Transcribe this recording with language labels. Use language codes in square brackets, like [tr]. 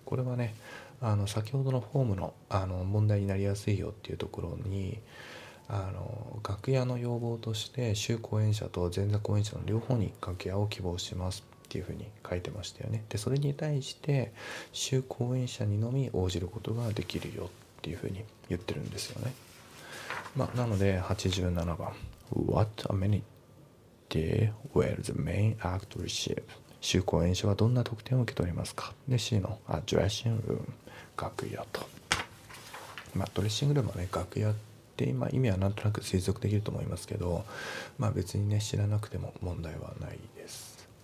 [ja] これはね、あの先ほどのフォーム の問題になりやすいよっていうところに、あの楽屋の要望として主講演者と前座講演者の両方に楽屋を希望しますっていう風に書いてましたよね。で、それに対して主講演者にのみ応じることができるよっていう風に言ってるんですよね。まあ、なので87番、 [en] What amenity will the main act receive? [ja] 主講演者はどんな特典を受け取りますか。で、 C の Dressing room、 楽屋と、まあ、ドレッシングルームはね、楽屋って、まあ、意味はなんとなく推測できると思いますけど、まあ、別にね、知らなくても問題はないです。